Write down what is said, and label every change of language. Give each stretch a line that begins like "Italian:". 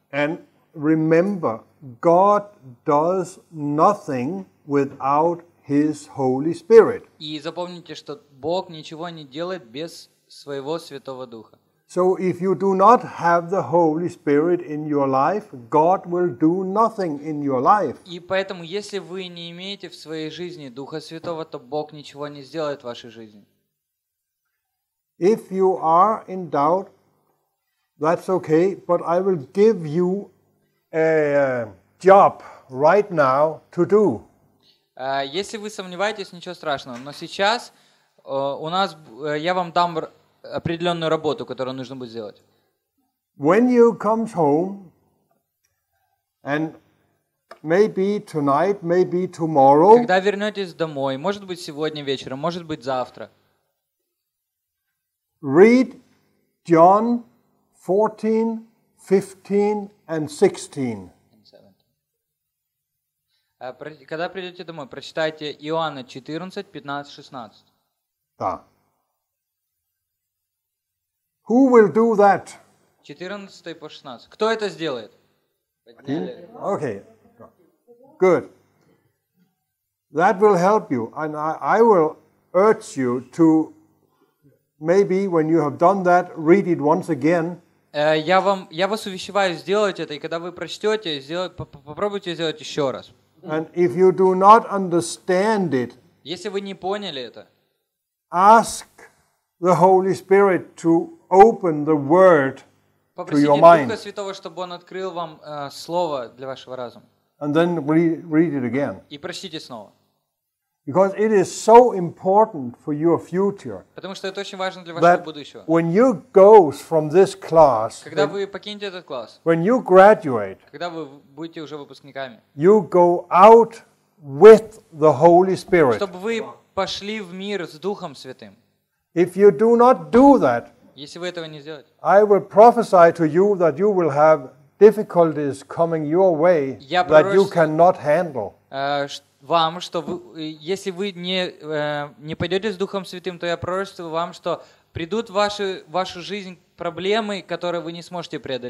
English: And remember, God does nothing without His Holy Spirit.
Russian: И запомните, что Бог ничего не делает без своего Святого Духа.
English: So if you do not have the Holy Spirit in your life, God will do nothing in your life.
Russian: И поэтому, если вы не имеете в своей жизни Духа Святого, то Бог ничего не сделает в вашей жизни.
English: If you are in doubt, that's okay, but I will give you a job right now to do.
Russian: Если вы сомневаетесь, ничего страшного. Но сейчас у нас я вам дам определенную работу, которую нужно будет сделать.
English: When you come home, and maybe tonight, maybe tomorrow.
Russian: Когда вернетесь домой, может быть сегодня вечером, может быть завтра.
English: Read John 14, 15 and 16.
Russian: Когда придете домой, прочитайте Иоанна 14, 15, 16. Да.
English: Who will do that?
Russian: 14 по 16. Кто это сделает?
English: Okay. Good. That will help you. And I will urge you to maybe when you have done that, read it once again.
Russian: Я вас увещеваю сделать это, и когда вы прочтете, попробуйте сделать еще раз.
English: And if you do not understand it,
Russian: если вы не поняли это,
English: ask the Holy Spirit to open the Word to your mind.
Russian: Попросите Духа Святого, чтобы Он открыл вам слово для вашего разума.
English: And then read it again.
Russian: И прочтите снова.
English: Because it is so important for your future.
Russian: Потому что это очень важно для вашего будущего.
English: That when you go from this class,
Russian: когда вы покинете этот класс,
English: when you graduate,
Russian: когда вы будете уже выпускниками,
English: you go out with the Holy Spirit.
Russian: Чтобы вы пошли в мир с Духом Святым.
English: If you do not do that,
Russian: если вы этого не сделаете,
English: I will prophesy to you that you will have difficulties coming your way that you cannot handle.
Russian: Вам, что вы, если вы не пойдете с Духом Святым, то я пророчествую вам, что придут в вашу жизнь проблемы, которые вы не сможете